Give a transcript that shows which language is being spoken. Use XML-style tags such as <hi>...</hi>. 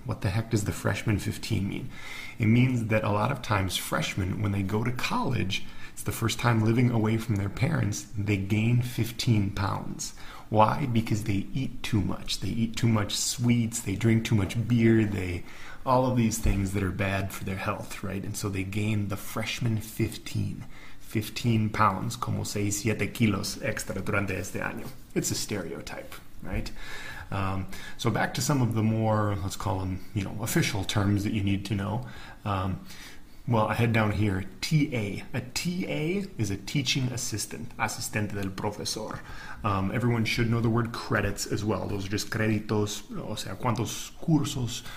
<en>What the heck does the freshman 15 mean? It means that a lot of times freshmen, when they go to college, it's the first time living away from their parents, they gain 15 pounds. Why? Because they eat too much. They eat too much sweets. They drink too much beer. All of these things that are bad for their health, right? And so they gain the freshman 15.</en> <es>15 pounds, como 6, 7 kilos extra durante este año.</es> <en>It's a stereotype, right? So back to some of the more, let's call them, you know, official terms that you need to know. Well, I head down here, TA. A TA is a teaching assistant,</en> <es>asistente del profesor.</es> <en>Everyone should know the word credits as well. Those are just</en> <es>créditos, o sea, cuántos cursos.</es>